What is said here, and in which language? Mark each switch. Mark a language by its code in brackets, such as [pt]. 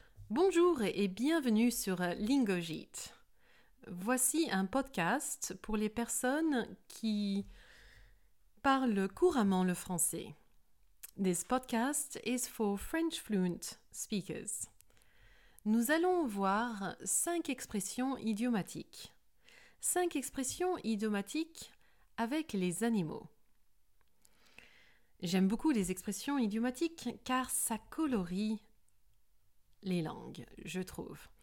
[fr] Bonjour et bienvenue sur Lingojit. Voici un podcast pour les personnes qui parlent couramment le français. [en] This podcast is for French fluent speakers. [fr] Nous allons voir 5 expressions idiomatiques. 5 expressions idiomatiques avec les animaux. J'aime beaucoup les expressions idiomatiques car ça colorie les langues, je trouve.